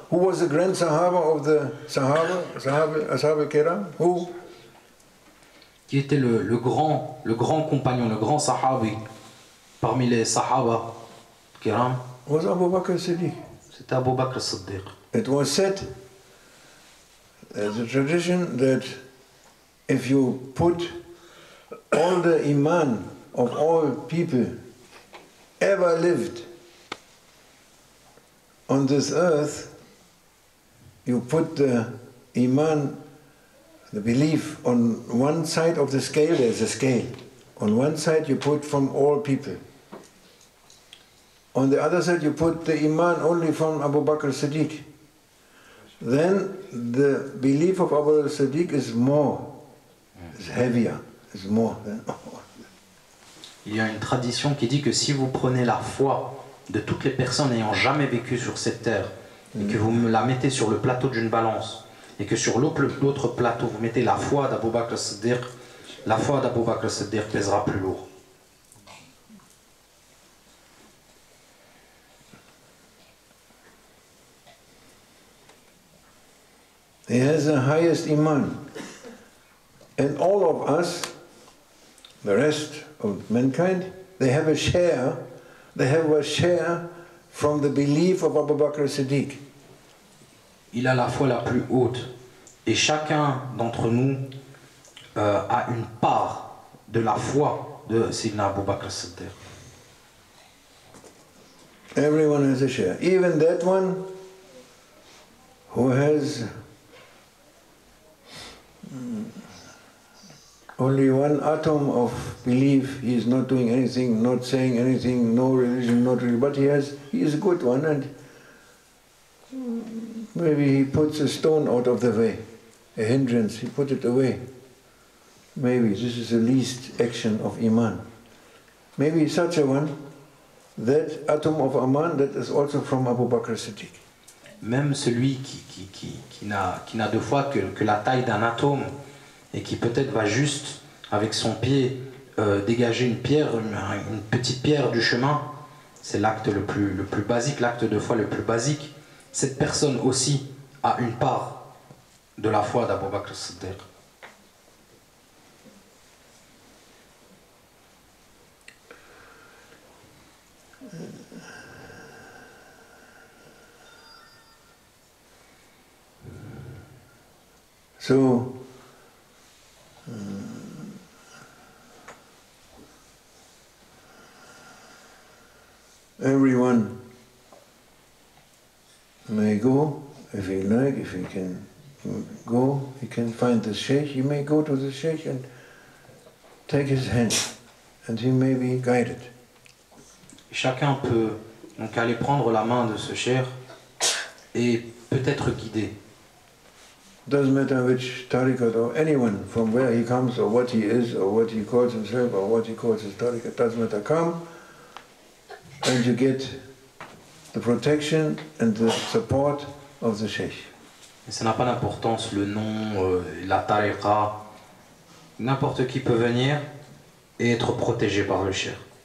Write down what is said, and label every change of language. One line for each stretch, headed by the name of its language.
English: Who was the Grand Sahaba of the Sahaba, Ashab al-Kiram? Who?
French: Qui était le grand compagnon, le grand Sahabi parmi les Sahaba Kiram?
English: Was Abu Bakr Siddiq.
French: C'était Abu Bakr Siddiq.
English: It was said, the tradition, that if you put all the iman of all people ever lived on this earth, you put the iman, the belief, on one side of the scale, there's a scale. On one side you put from all people. On the other side you put the iman only from Abu Bakr Siddiq. Then the belief of Abu Bakr Siddiq is more, is heavier, is more than
French: Il y a une tradition qui dit que si vous prenez la foi de toutes les personnes n'ayant jamais vécu sur cette terre et que vous la mettez sur le plateau d'une balance et que sur l'autre plateau vous mettez la foi d'Abu Bakr Siddiq, la foi d'Abu Bakr Siddiq pèsera plus lourd.
English: He has the highest iman. And all of us, the rest of mankind, they have a share, they have a share from the belief of Abu Bakr Siddiq.
French: Il a la foi la plus haute. Et chacun d'entre nous a une part de la foi de Sidna Abu Bakr Siddiq.
English: Everyone has a share. Even that one who has only one atom of belief, he is not doing anything, not saying anything, no religion, not religion, but he is a good one, and maybe he puts a stone out of the way, a hindrance, he put it away. Maybe this is the least action of iman. Maybe such a one, that atom of iman, that is also from Abu Bakr Siddiq.
French: Même celui qui n'a de foi que la taille d'un atome et qui peut-être va juste avec son pied dégager une pierre, une petite pierre du chemin, c'est l'acte le plus basique, l'acte de foi le plus basique. Cette personne aussi a une part de la foi d'Abu Bakr Siddiq.
English: So, everyone may go, if he like, if he can go, he can find the sheikh, he may go to the sheikh and take his hand, and he may be guided.
French: Chacun peut donc aller prendre la main de ce sheikh et peut-être guidé.
English: Doesn't matter which tariqat or anyone from where he comes or what he is or what he calls himself or what he calls his tariqat, doesn't matter. Come and you get the protection and the support of the sheikh.
French: Ça n'a pas d'importance le nom, la tariqa. N'importe qui peut venir et être protégé par le sheikh.